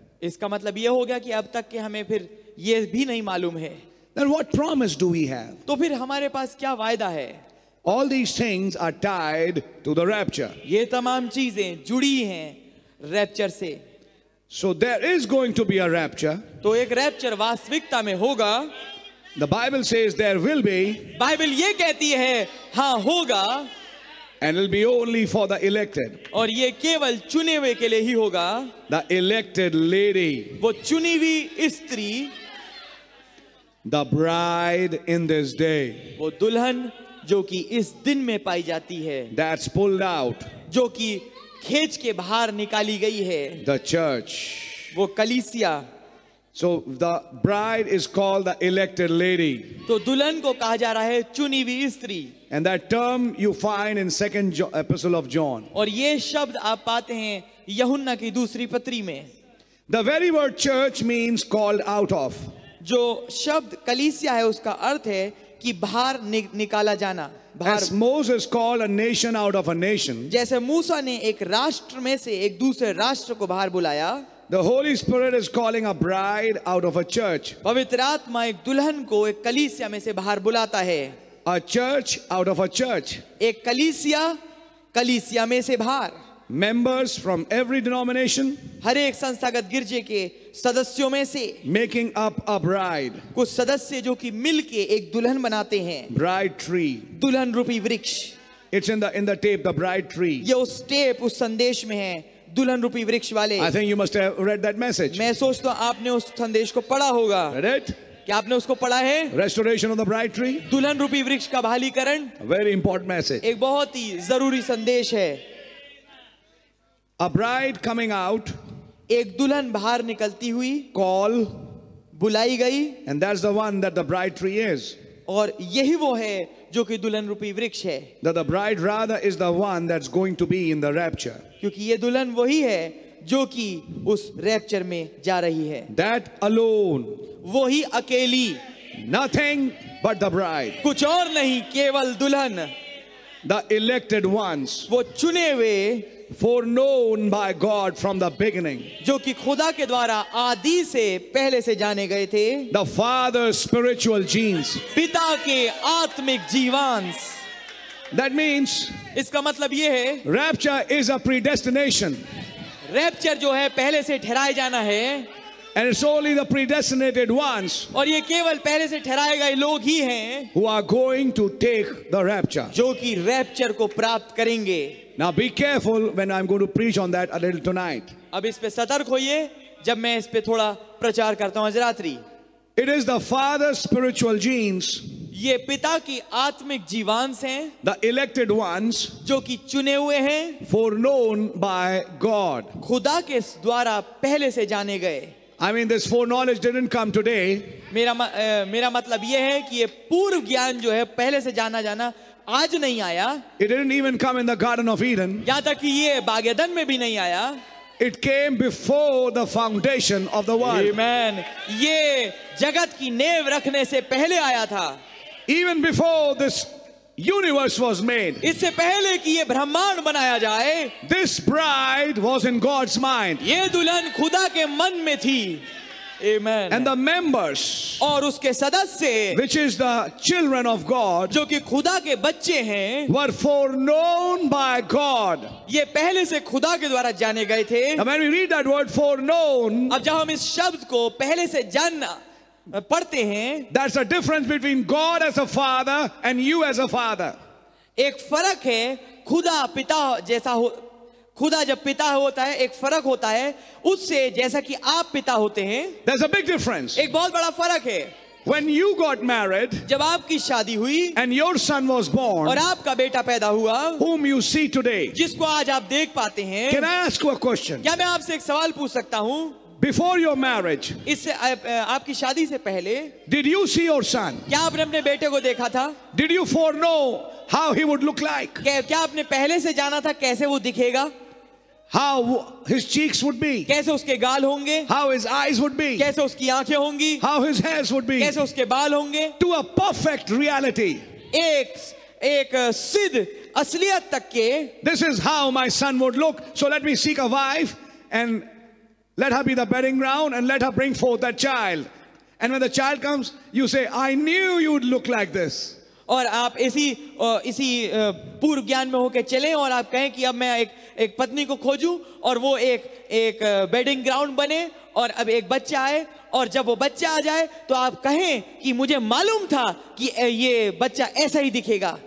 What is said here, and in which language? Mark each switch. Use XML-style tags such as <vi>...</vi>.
<hi>इसका मतलब ये हो गया कि अब तक के हमें फिर ये भी नहीं मालूम है.</hi> <en>Then what promise do we have?</en> <hi>तो फिर हमारे पास क्या वायदा है?</hi> <en>All these things are tied to the rapture.</en> <hi>ये तमाम चीजें जुड़ी हैं रैप्चर से.</hi> <en>So there is going to be a rapture.</en> <hi>तो एक रैप्चर वास्तविकता में होगा.</hi> <en>The Bible says there will be.</en> <hi>Bible ये कहती है हाँ होगा.</hi> <en>And it'll be only for the elected.</en> <hi>और ये केवल चुने हुए के लिए ही होगा.</hi> <en>The elected lady.</en> <hi>वो चुनी हुई स्त्री.</hi> <en>The bride in this day.</en> <hi>वो दुल्हन जो कि इस दिन में पाई जाती है.</hi> <en>That's pulled out.</en> <hi>जो कि खेच के बाहर निकाली गई है.</hi> <en>The church.</en> <hi>वो कलीसिया.</hi> <en>So the bride is called the elected lady.</en> <hi>तो दुल्हन को कहा जा रहा है चुनी हुई स्त्री.</hi> <en>And that term you find in second epistle of John.</en> <hi>और ये शब्द आप पाते हैं यहुन्ना की दूसरी पत्री में.</hi> <en>The very word church means called out of.</en> <hi>जो शब्द कलीसिया है उसका अर्थ है कि बाहर निकाला जाना.</hi> <en>As Moses called a nation out of a nation.</en> <hi>जैसे मूसा ने एक राष्ट्र में से एक दूसरे राष्ट्र को बाहर बुलाया.</hi> <en>The Holy Spirit is calling a bride out of a church.</en> <hi>पवित्र आत्मा एक दुल्हन को एक कलीसिया में से बाहर बुलाता है.</hi> <en>A church out of a church.</en> <hi>एक कलीसिया कलीसिया में से बाहर.</hi> <en>Members from every denomination.</en> <hi>हर एक संस्थागत गिरजे के सदस्यों में से.</hi> <en>Making up a bride.</en> <hi>कुछ सदस्य जो कि मिलके एक दुल्हन बनाते हैं.</hi> <en>Bride tree.</en> <hi>दुल्हन रूपी वृक्ष.</hi> <en>It's in the tape, the bride tree.</en> <hi>ये उस टेप उस संदेश में है. दुल्हन रूपी वृक्ष वाले.</hi> <en>I think you must have read that message.</en> <hi>मैं सोचता हूँ आपने उस संदेश को पढ़ा होगा.</hi> <en>Read it.</en> <hi>क्या आपने उसको पढ़ा है?</hi> <en>Restoration of the bride tree.</en> <hi>दुल्हन रूपी वृक्ष का बहालीकरण.</hi> <en>Very important message.</en> <hi>एक बहुत ही जरूरी संदेश है.</hi> <en>A bride coming out.</en> <hi>एक दुल्हन बाहर निकलती हुई.</hi> <en>Call.</en> <hi>बुलाई गई.</hi> <en>And that's the one that the bride tree is.</en> <hi>और यही वो है जो कि दुल्हन रूपी वृक्ष है.</hi> <en>That the bride rather is the one that's going to be in the rapture.</en> <hi>क्योंकि ये दुल्हन वही है जो कि उस रैप्चर में जा रही है.</hi> <en>That alone.</en> <hi>वही अकेली.</hi> <en>Nothing but the bride.</en> <hi>कुछ और नहीं केवल दुल्हन.</hi> <en>The elected ones.</en> <hi>वो चुने हुए.</hi> <en>Foreknown by God from the beginning.</en> <hi>जो कि खुदा के द्वारा आदि से पहले से जाने गए थे.</hi> <en>The father's spiritual genes.</en> <hi>पिता के आत्मिक जीवांश.</hi> <en>That means.</en> <hi>इसका मतलब ये है.</hi> <en>Rapture is a predestination.</en> <hi>Rapture जो है पहले से ठहराए जाना है.</hi> <en>And it's only the predestinated ones.</en> <hi>और ये केवल पहले से ठहराए गए लोग ही हैं.</hi> <en>Who are going to take the rapture.</en> <hi>जो कि रैप्चर को प्राप्त करेंगे.</hi> <en>Now be careful when I'm going to preach on that a little tonight.</en> <hi>अब इस पे सतर्क होइए जब मैं इस पे थोड़ा प्रचार करता हूँ आज रात्रि.</hi> <en>It is the father's spiritual genes.</en> <hi>ये पिता की आत्मिक जीवांश हैं.</hi> <en>The elected ones.</en> <hi>जो कि चुने हुए हैं.</hi> <en>Foreknown by God.</en> <hi>खुदा के द्वारा पहले से जाने गए.</hi> <en>I mean, this foreknowledge didn't come today.</en> <hi>मेरा मतलब ये है कि ये पूर्व ज्ञान जो है पहले से जाना जाना आज नहीं आया.</hi> <en>It didn't even come in the Garden of Eden.</en> <hi>यहाँ तक कि ये बागेदन में भी नहीं आया.</hi> <en>It came before the foundation of the world. Amen.</en> <hi>ये जगत की नेव रखने से पहले आया था.</hi> <en>Even before this universe was made.</en> <hi>इससे पहले कि ये ब्रह्मांड बनाया जाए.</hi> <en>This bride was in God's mind.</en> <hi>ये दुल्हन खुदा के मन में थी.</hi> <en>Amen. And the members.</en> <hi>और उसके सदस्य.</hi> <en>Which is the children of God.</en> <hi>जो कि खुदा के बच्चे हैं.</hi> <en>Were foreknown by God.</en> <hi>ये पहले से खुदा के द्वारा जाने गए थे.</hi> <en>Now when we read that word foreknown.</en> <hi>अब जब हम इस शब्द को पहले से जानना पढ़ते हैं.</hi> <en>That's a difference between God as a father and you as a father.</en> <hi>एक फर्क है खुदा पिता जैसा हो. खुदा जब पिता होता है एक फर्क होता है उससे जैसा कि आप पिता होते हैं.</hi> <en>There's a big difference.</en> <hi>एक बहुत बड़ा फर्क है.</hi> <en>When you got married.</en> <hi>जब आपकी शादी हुई.</hi> <en>And your son was born.</en> <hi>और आपका बेटा पैदा हुआ.</hi> <en>Whom you see today.</en> <hi>जिसको आज आप देख पाते हैं.</hi> <en>Can I ask you a question?</en> <hi>क्या मैं आपसे एक सवाल पूछ सकता हूँ?</hi> <en>Before your marriage,</en> <hi>इससे आपकी शादी से पहले,</hi> <en>did you see your son?</en> <hi>क्या आपने अपने बेटे को देखा था?</hi> <en>Did you foreknow how he would look like?</en> <hi>क्या आपने पहले से जाना था कैसे वो दिखेगा?</hi> <en>How his cheeks would be?</en> <hi>कैसे उसके गाल होंगे?</hi> <en>How his eyes would be?</en> <hi>कैसे उसकी आंखें होंगी?</hi> <en>How his hairs would be?</en> <hi>कैसे उसके बाल होंगे?</hi> <en>To a perfect reality.</en> <hi>एक सिद्ध असलियत तक के.</hi> <en>This is how my son would look. So let me seek a wife and let her be the bedding ground and let her bring forth that child. And when the child comes, you say, I knew you would look like this.</en> <hi>और आप इसी पूर्व ज्ञान में होके चले और आप कहें कि अब मैं एक पत्नी को खोजूं और वो एक</hi> <en>breeding ground</en> <hi>बने और अब एक बच्चा आए और जब वो बच्चा आ जाए तो आप कहें कि मुझे मालूम था कि ये बच्चा ऐसा ही दिखेगा.</hi>